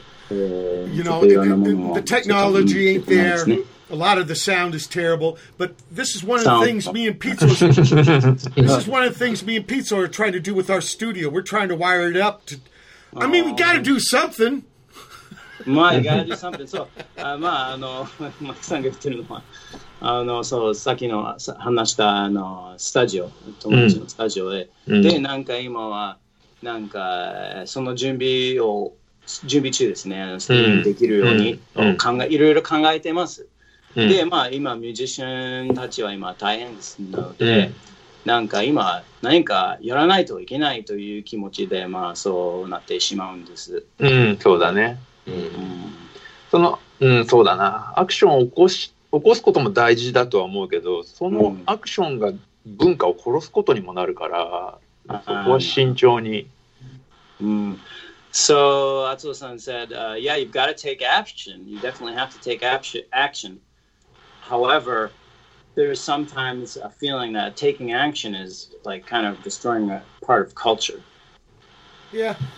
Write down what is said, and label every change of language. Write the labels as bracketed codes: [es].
[en] You know, the technology ain't there. A lot of the sound is terrible. But this is one of the things me and Pizza. This is one of the things me and Pizza are trying to do with our studio. We're trying to wire it up. I mean, we got to do something. まあ、gotta do something. [ja] So, まあ、あの、マキさんが言ってるのは、あの、そう、さっきの話した、あの、スタジオ、友達のスタジオで、で、なんか今は、なんか、その準備中ですね、ステージできるように、いろいろ考えてます。で、まあ、今、ミュージシャンたちは今、大変ですので、なんか今、何かやらないといけないという気持ちで、まあ、そうなってしまうんです。そうだね。そうだな、アクションを起こすことも大事だとは思うけど、そのアクションが文化を殺すことにもなるから、そこは慎重に。 [en] So, Atsuo-san said, yeah, you've got to take action. You definitely have to take action. However, there's sometimes a feeling that taking action is like kind of destroying a part of culture. Yeah.